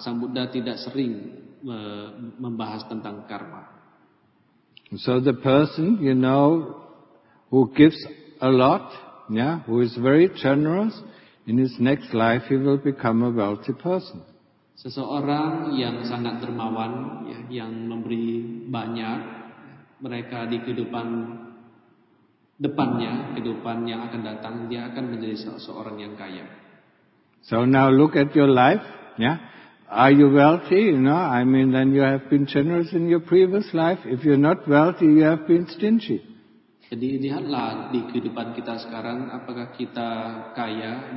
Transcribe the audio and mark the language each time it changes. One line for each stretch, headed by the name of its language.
Indonesian: Sang Buddha tidak sering membahas tentang karma.
English: So the person, you know, who gives a lot, yeah, who is very generous, in his next life he will become a wealthy person.
Indonesian: Seseorang yang sangat dermawan, ya, yang memberi banyak, mereka di kehidupan depannya, kehidupan yang akan datang, dia akan menjadi seorang yang kaya.
English: So now look at your life, yeah. Are you wealthy? You know, I mean, then you have been generous in your previous life. If you're not wealthy, you have been stingy.
Indonesian: Jadi lihatlah di kehidupan kita sekarang, apakah kita kaya?